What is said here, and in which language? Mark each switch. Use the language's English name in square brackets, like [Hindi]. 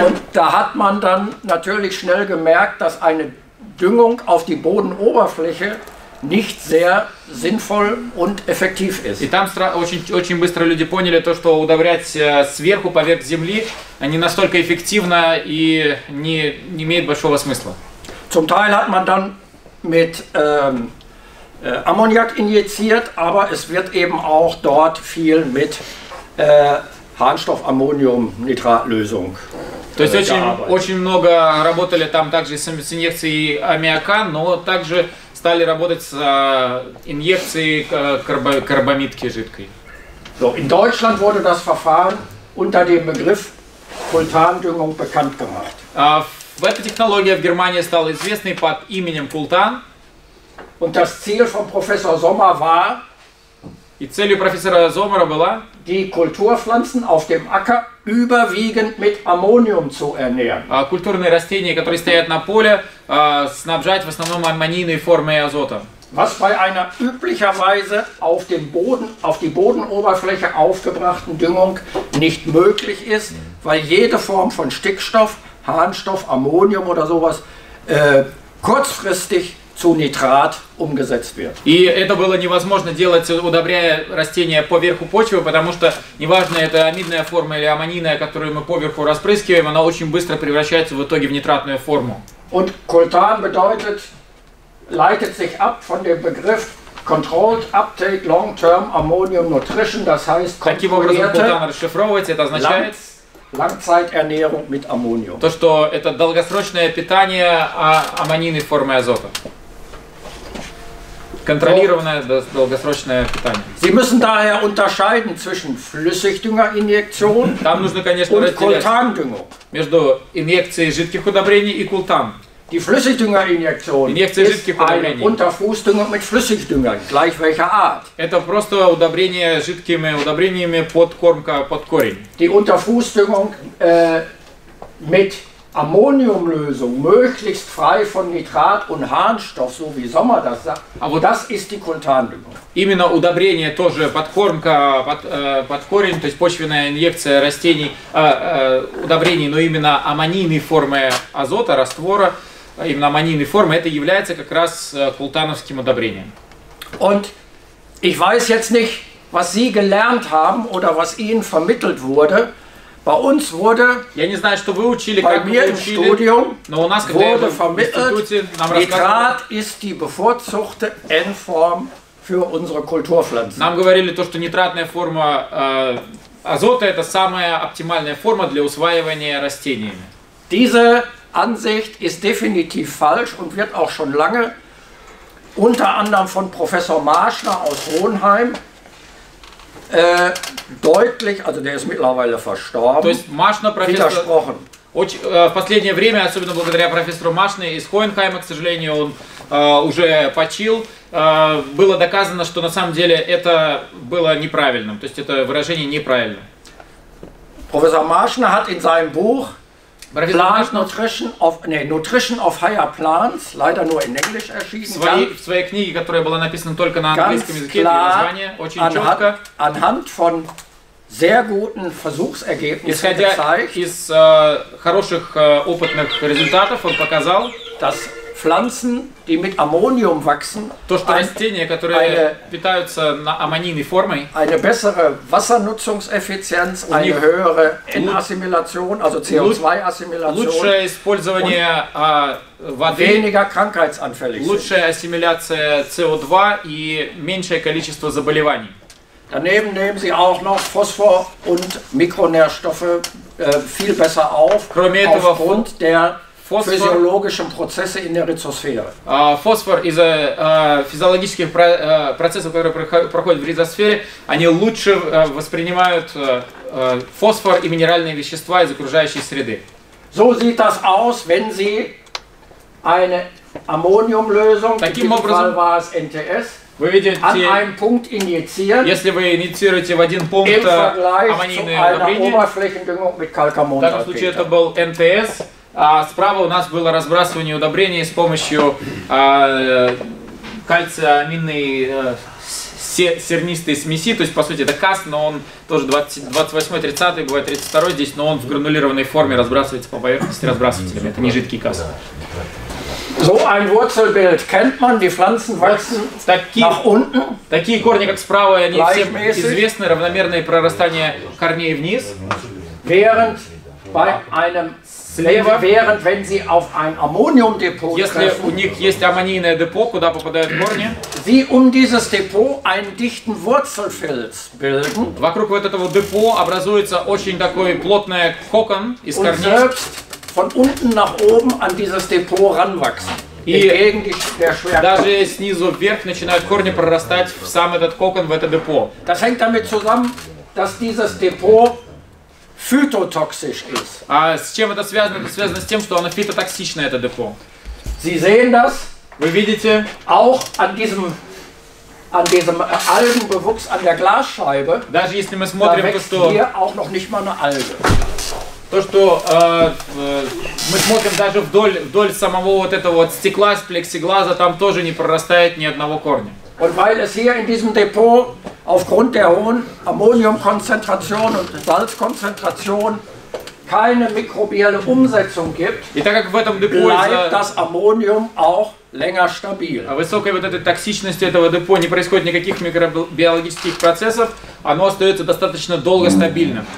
[German] Und da hat man dann natürlich schnell gemerkt, dass eine Düngung auf die Bodenoberfläche nicht sehr sinnvoll und effektiv ist. [Russian] И там очень быстро люди поняли то, что удобрять сверху поверх земли не настолько эффективно и не имеет большого смысла. [German] Zum Teil hat man dann mit Ammoniak injiziert, aber es wird eben auch dort viel mit Harnstoffammoniumnitratlösung. [Russian] То есть очень много работали там также с инъекцией аммиака, но также стали работать с инъекцией карбамидки жидкой. [German] So, in Deutschland wurde das Verfahren unter dem Begriff Kultandüngung bekannt gemacht. [Russian] Эта технология в Германии стала известной под именем Култан. [German] Und das Ziel von Professor Sommer war, [Russian] и целью профессора Зомера была, [German] die Kulturpflanzen auf dem Acker überwiegend mit Ammonium zu ernähren. [Russian] Культурные растения, которые стоят на поле, снабжать в основном аммонийной формой азота. [German] Was bei einer üblicherweise auf dem Boden, auf die Bodenoberfläche aufgebrachten Düngung nicht möglich ist, weil jede Form von Stickstoff, Harnstoff, Ammonium oder sowas kurzfristig zu Nitrat umgesetzt wird. [Russian] И это было невозможно делать, удобряя растения поверху почвы, потому что неважно, это амидная форма или аммонийная, которую мы поверху распрыскиваем, она очень быстро превращается в итоге в нитратную форму. [German] Und Kultan bedeutet, leitet sich ab von dem Begriff [English] controlled uptake long term ammonium nutrition, [German] das heißt, [Russian] каким образом Kultan расшифровывается, это означает [German] Langzeiternährung mit Ammonium. [Russian] То, что это долгосрочное питание аммонийной формы азота. Контролированное долгосрочное питание. [German] Sie müssen daher unterscheiden zwischen Flüssigdüngerinjektion [Russian] Там нужно, конечно, [German] und Kultandüngung. [Russian] Между инъекцией жидких удобрений и Култан. [German] Die Flüssigdüngerinjektion [Russian] Инъекция [German] ist eine Unterfußdüngung mit Flüssigdünger, gleich welcher Art. [Russian] Это просто удобрение жидкими удобрениями под кормка, под корень. [German] Die Unterfußdüngung mit Ammoniumlösung, möglichst frei von Nitrat und Harnstoff, so wie Sommer das sagt, [Russian] вот [German] das ist die Kultandüngung. [Russian] Именно удобрение тоже под кормка, под корень, то есть почвенная инъекция растений, удобрений, но именно аммонийной формы азота, раствора, именно аммонийной формы, это является как раз култановским удобрением. [German] Und ich weiß jetzt nicht, was Sie gelernt haben oder was Ihnen vermittelt wurde, Bei uns wurde, [Russian] я не знаю, что вы учили, [German] bei [Russian] как [German] mir [Russian] вы учили, [German] im Studium, [Russian] но у нас, [German] wurde [Russian] когда [German] vermittelt, Nitrat ist die bevorzugte N-Form für unsere Kulturpflanzen. [Russian] Нам говорили то, что нитратная форма азота это самая оптимальная форма для усваивания растениями. [German] Diese Ansicht ist definitiv falsch und wird auch schon lange unter anderem von Professor Marschner aus Hohenheim deutlich, also der ist mittlerweile verstorben, widersprochen. [Russian] В последнее время, особенно благодаря профессору Машне из Хоенхайма, к сожалению, он уже почил, было доказано, что на самом деле это было неправильным. То есть это выражение неправильно. [German] Профессор Машне hat in seinem Buch Plant Nutrition of, nee, Nutrition of Higher Plants, leider nur in Englisch erschienen. [Russian] В своей книге, которая была написана только на английском языке, название очень четко. [German] Anhand von sehr guten Versuchsergebnissen [Russian] исходя [German] gezeigt, [Russian] из хороших опытных результатов он показал, [German] dass Pflanzen, die mit Ammonium wachsen, [Russian] то, что растения, которые питаются на аммонийной формой, [German] eine bessere Wassernutzungseffizienz, eine höhere N-Assimilation, also CO2-Assimilation, [Russian] лучшее использование воды, [German] weniger krankheitsanfällig, [Russian] лучшая ассимиляция CO2 и меньшее количество заболеваний. [German] Daneben nehmen sie auch noch Phosphor und Mikronährstoffe viel besser auf, aufgrund der physiologischen Prozesse in der Rhizosphäre. Phosphor [Russian] из-за физиологических процессов, которые проходят в ризосфере, они лучше воспринимают фосфор и минеральные вещества из окружающей среды. [German] So sieht das aus, wenn sie eine Ammoniumlösung, in diesem Fall war es NTS, [Russian] вы видите, [German] an einem Punkt injizieren, [Russian] если вы инициируете в один пункт аммонийное удобрение, в данном случае это был НТС, а справа у нас было разбрасывание удобрений с помощью кальциаминной сернистой смеси, то есть по сути это КАС, но он тоже 28-й, 30-й, бывает 32-й здесь, но он в гранулированной форме разбрасывается по поверхности разбрасывателями, это не жидкий КАС. [German] So ein Wurzelbild kennt man, die Pflanzen wachsen nach unten. [Russian] Такие корни, как справа, они всем известны, равномерное прорастание корней вниз. [German] Während bei einem Slever, während wenn sie auf ein Ammoniumdepot treffen, [Russian] если у них есть аммонийное депо, куда попадают корни, [German] sie um dieses Depot einen dichten Wurzelfilz bilden. [Russian] Вокруг вот этого депо образуется очень такой плотный кокон из корней. [German] Von unten nach oben an dieses Depot ranwachsen. Entgegen der Schwerkraft. [Russian] Даже снизу вверх начинают корни прорастать в сам этот кокон, в это депо. [German] Das hängt damit zusammen, dass dieses Depot phytotoxisch ist. [Russian] А с чем это связано? Это связано с тем, что оно фитотоксичное, это депо. [German] Sie sehen das? [Russian] Вы видите? [German] Auch an diesem Algenbewuchs an der Glasscheibe. [Russian] Даже если мы смотрим, то что [German] hier auch noch nicht mal eine Alge. [Russian] То, что мы смотрим даже вдоль самого вот этого вот стекла с плексиглаза, там тоже не прорастает ни одного корня. [German] Und weil es hier in diesem Depot aufgrund der hohen Ammoniumkonzentration und Salzkonzentration keine mikrobielle Umsetzung gibt, [Russian] и так как в этом депо [German] bleibt das Ammonium auch länger stabil. [Russian] А высокой вот этой токсичности этого депо не происходит никаких микробиологических процессов, оно остается достаточно долго стабильным.